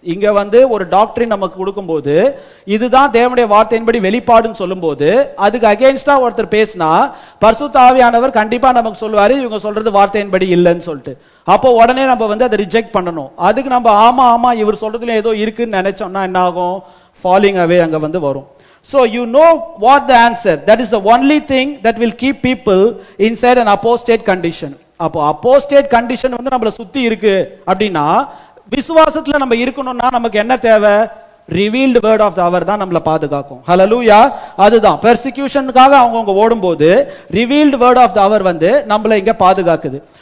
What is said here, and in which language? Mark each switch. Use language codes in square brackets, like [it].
[ta] இங்க வந்து ஒரு டாக்டரின் நமக்கு கொடுக்கும்போது இதுதான் தேவனுடைய வார்த்தையின்படி வெளிப்பாடுன்னு சொல்லும் போது அதுக்கு அகேன்ஸ்டா ஒருத்தர் பேசினா பரிசுத்த ஆவியானவர் கண்டிப்பா நமக்கு சொல்லுவாரு இவங்க சொல்றது வார்த்தையின்படி இல்லைன்னு சொல்லிட்டு. அப்போ உடனே நம்ம வந்து அதை ரிஜெக்ட் பண்ணணும். அதுக்கு நம்ம ஆமா ஆமா இவர் சொல்றதுல ஏதோ இருக்குன்னு நினைச்சோம்னா என்ன ஆகும், ஃபாலோயிங் அவே அங்க வந்து வரும். [en] So you know what the answer, that is the only thing that will keep people inside an apostate condition. [ta] அப்போ apostate condition வந்து நம்மள சுத்தி இருக்கு அப்படினா விசுவாசத்துல நம்ம இருக்கணும்னா நமக்கு என்ன தேவை, [en] revealed word of the hour [ta] தான் நம்மள பாதுகாக்கும். ஹல்லேலூயா. அதுதான் persecutionக்காக அவங்க ஓடும்போது [en] revealed word of the hour [ta] வந்து நம்மள இங்க பாதுகாக்குது.